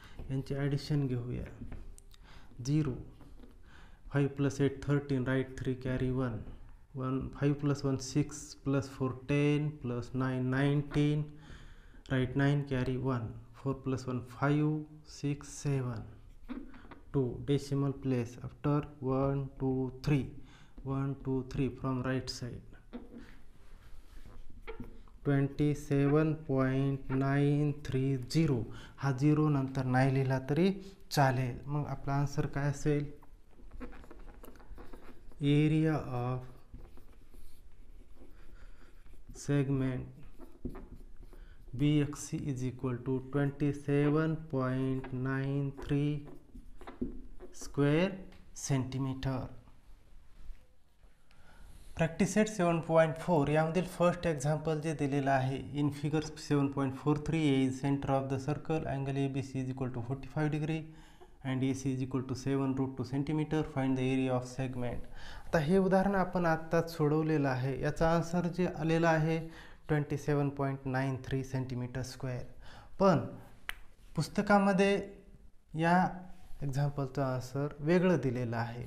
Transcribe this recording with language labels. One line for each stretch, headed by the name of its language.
Marathi: यांची ॲडिशन घेऊया,
English: 0 5 + 8 13, right 3 carry 1, 1 5 + 1 6 + 4 10 + 9 19, right 9 carry 1, 4 + 1 5 6 7, 2 decimal place after 1 2 3, 1 2 3 from right side, 27.930.
Marathi: हा 0 नंतर नाही लिहिला तरी चालेल. मग आपला आन्सर काय असेल?
English: Area of segment B X C is equal to 27.93 square centimetre. Practice set 7.4
Marathi: यामधील फर्स्ट एक्झाम्पल जे दिलेलं आहे,
English: In figure 7.43 A is centre of the circle, angle A B C is equal to 45 degree and A C is equal to 7√2 centimetre, find the area of segment.
Marathi: आता हे उदाहरण आपण आत्ताच सोडवलेलं आहे, याचा आन्सर जे आलेला आहे 27.93 सेंटीमीटर स्क्वेअर, पण पुस्तकामध्ये या एक्झाम्पलचं आन्सर वेगळं दिलेलं आहे.